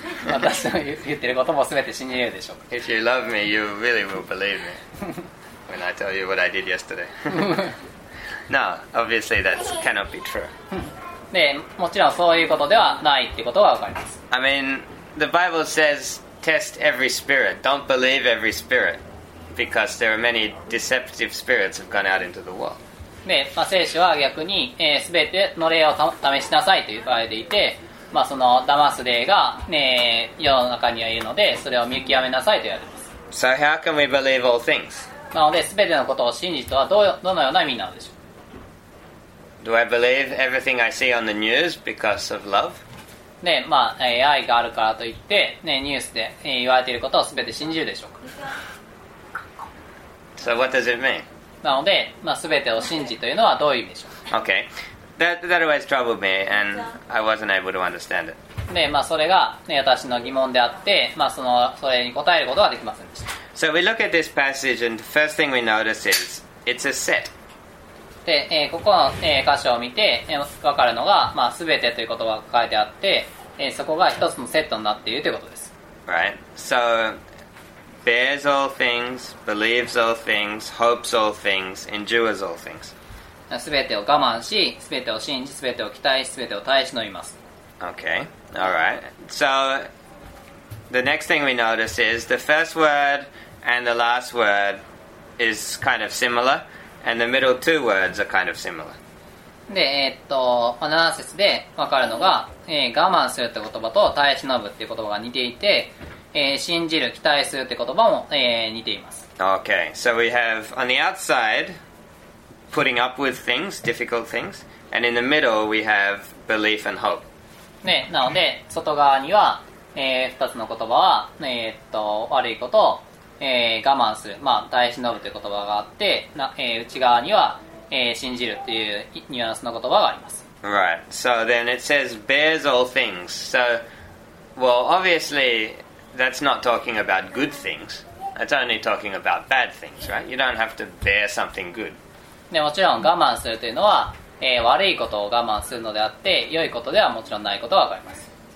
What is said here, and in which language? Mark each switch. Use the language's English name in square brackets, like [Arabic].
[Japanese] 私の言ってることもすべて信じるでしょうか。 [English] If you love me, you really will believe me when I tell you what I did yesterday. No, obviously that cannot be true. [Japanese] でもちろんそういうことではないってことがわかります。 [English] I mean, the Bible says, test every spirit. Don't believe every spirit. Because there are many deceptive spirits have gone out into the world. [Japanese] で、まあ、聖書は逆に、すべての霊を試しなさいと言われていて、まあ、その騙す霊が、ね、世の中にはいるので、それを見極めなさいと言われます。 [English] So how can we believe all things? [Japanese] なので、すべてのことを信じとはどのような意味なのでしょう。 [English] Do I believe everything I see on the news because of love? [Japanese] ね、まあ、愛があるからといって、ね、ニュースで言われていることをすべて信じるでしょうか。 [English] So what does it mean? [Japanese] なので、まあ、すべてを信じというのはどういう意味でしょうか。 [English] Okay. That always troubled me and I wasn't able to understand it. [Japanese] ね、まあ、それが、ね、私の疑問であって、まあ、それに答えることはできませんでした。 [English] So we look at this passage and the first thing we notice is it's a set. [Japanese] で、ここの、箇所を見て、分かるのが、まあ、全てという言葉が書いてあって、そこが一つのセットになっているということです。 [English] Right. So, bears all things, believes all things, hopes all things, endures all things. [Japanese] 全てを我慢し、全てを信じ、全てを期待し、全てを耐え忍びます。 [English] Okay. Alright. So, the next thing we notice is the first word and the last word is kind of similar. And the middle two words are kind of similar. [Japanese] で、7節で分かるのが、我慢するって言葉と耐え忍ぶって言葉が似ていて、信じる、期待するって言葉も、似ています。 [English] Okay, so we have on the outside, putting up with things, difficult things, and in the middle we have belief and hope. [Japanese] で、なので、外側には、2つの言葉は、悪いこと、我慢する、まあ、耐え忍ぶという言葉があって、内側には、信じるというニュアンスの言葉があります。 [English] Right, so then it says bears all things. So, well, obviously that's not talking about good things. It's only talking about bad things, right? You don't have to bear something good. [Japanese] でもちろん我慢するというのは、悪いことを我慢するのであって、良いことではもちろんないことがわかります。